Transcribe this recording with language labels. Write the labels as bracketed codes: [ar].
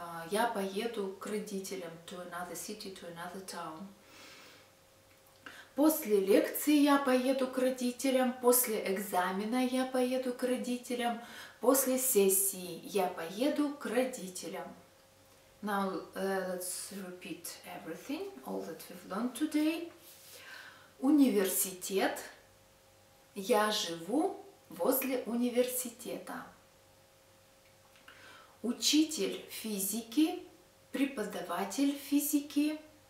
[ru] Я поеду к родителям, [en] to another city, to another town. [ru] После лекции я поеду к родителям, после экзамена я поеду к родителям, после сессии я поеду к родителям. [en] Now let's repeat everything, all that we've learned today. [ru] Университет. Я живу возле университета. Учитель физики, преподаватель физики.